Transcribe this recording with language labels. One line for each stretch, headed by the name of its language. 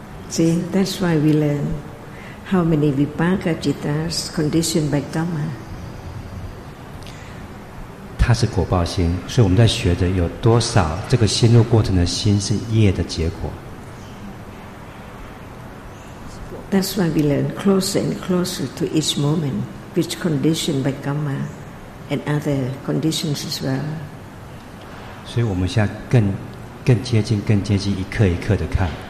English: See, that's why we learn how many vipaka jitas conditioned by karma.
Chinese: 它是果报心，所以我们在学着有多少这个心路过程的心是业的结果。
English: That's why we learn closer and closer to each moment, which conditioned by karma and other conditions as well.
Chinese: 所以我们现在更接近，一刻一刻的看。